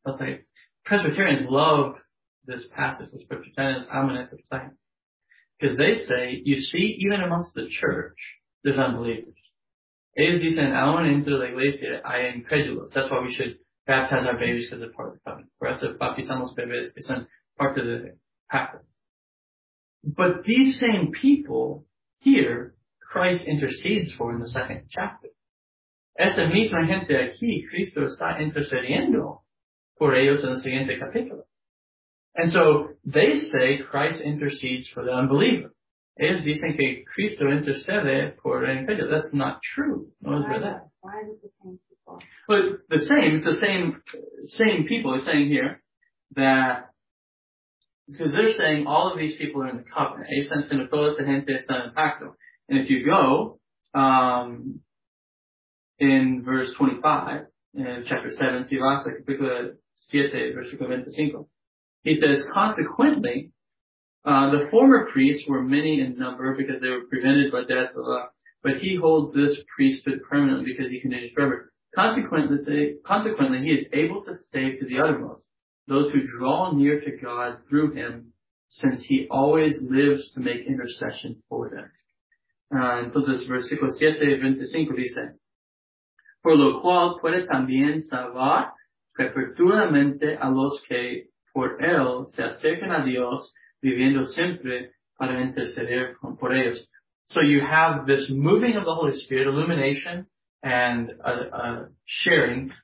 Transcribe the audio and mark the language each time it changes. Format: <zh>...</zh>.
<en>I'll say, Presbyterians love this passage, the scripture, tenets, ominous, and excitement. Because they say, you see, even amongst the church, there's unbelievers.</en> <es>Ellos dicen, aún entre la iglesia, hay incredulos.</es> <en>That's why we should baptize our babies because they're part of the covenant. For us, if</en> <es>bautizamos bebés,</es> <en>it's part of the</en> <es>pacto.</es> <en>But these same people here, Christ intercedes for in the second chapter.</en> <es>Esta misma gente aquí, Cristo está intercediendo por ellos en el siguiente capítulo.</es> <en>And so they say Christ intercedes for the unbeliever.</en> <es>Ellos dicen que Cristo intercede por el incrédulo.</es> <en>That's not true.</en> <es>No es verdad.</es> <en>Why is it the same people? But the same, it's the same people are saying here that, because they're saying all of these people are in the covenant.</en> <es>Esan sin todos de gente están en pacto.</es> <en>And if you go, in verse 25, in chapter 7,</en> <es>si vas a capítulo 7, versículo 25,</es> <en>he says, consequently, the former priests were many in number because they were prevented by death, but he holds this priesthood permanently because he continues forever. Consequently, he is able to save to the uttermost those who draw near to God through him, since he always lives to make intercession for them.</en> <es>Entonces, versículo 7, 25 dice, por lo cual puede también salvar perpetuamente a los que por él se acercan a Dios, viviendo siempre para interceder por ellos.</es> <en>So you have this moving of the Holy Spirit, illumination, and sharing.</en>